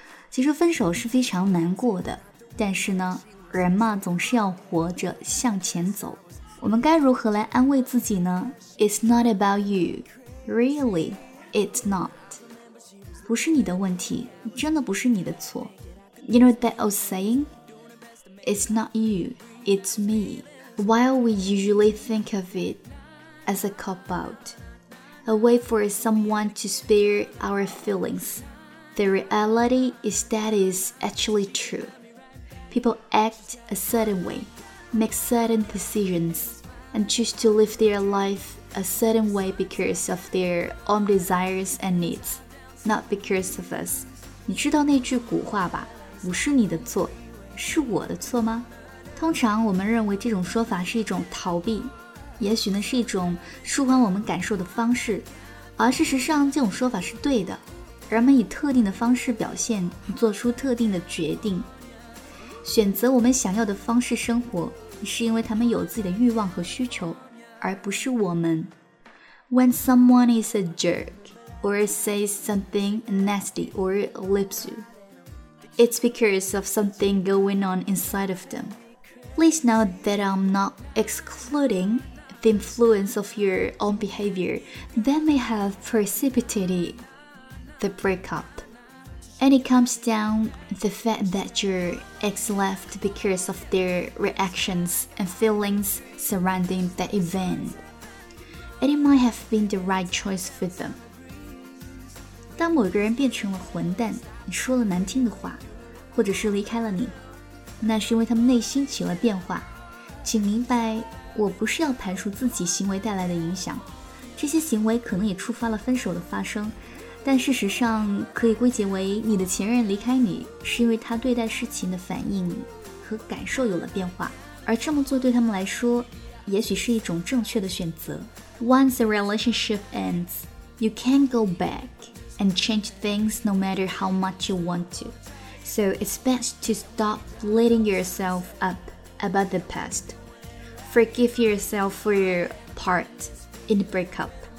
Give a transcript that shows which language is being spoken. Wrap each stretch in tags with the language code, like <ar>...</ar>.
<zh>其实分手是非常难过的，但是呢，人嘛总是要活着向前走。我们该如何来安慰自己呢？</zh> <en>It's not about you. Really, it's not.</en> <zh>不是你的问题，真的不是你的错。</zh> <en>You know that old saying? It's not you, it's me. While we usually think of it as a cop-out, a way for someone to spare our feelings, the reality is that it's actually true. People act a certain way, make certain decisions, and choose to live their life a certain way because of their own desires and needs, not because of us.</en> <zh>你知道那句古话吧？不是你的错，是我的错吗？通常我们认为这种说法是一种逃避，也许呢是一种舒缓我们感受的方式，而事实上这种说法是对的。人们以特定的方式表现，做出特定的决定，选择我们想要的方式生活，是因为他们有自己的欲望和需求，而不是我们。</zh> <en>When someone is a jerk or says something nasty or leaves youIt's because of something going on inside of them. Please know that I'm not excluding the influence of your own behavior that may have precipitated the breakup. And it comes down to the fact that your ex left because of their reactions and feelings surrounding that event. And it might have been the right choice for them.</en> <zh>当某个人变成了混蛋，说了难听的话，或者是离开了你，那是因为他们内心起了变化。请明白，我不是要排除自己行为带来的影响，这些行为可能也触发了分手的发生，但事实上可以归结为你的前任离开你是因为他对待事情的反应和感受有了变化，而这么做对他们来说也许是一种正确的选择。</zh> <en>Once a relationship ends, you can't go back and change things no matter how much you want toSo it's best to stop beating yourself up about the past. Forgive yourself for your part in the breakup.</en>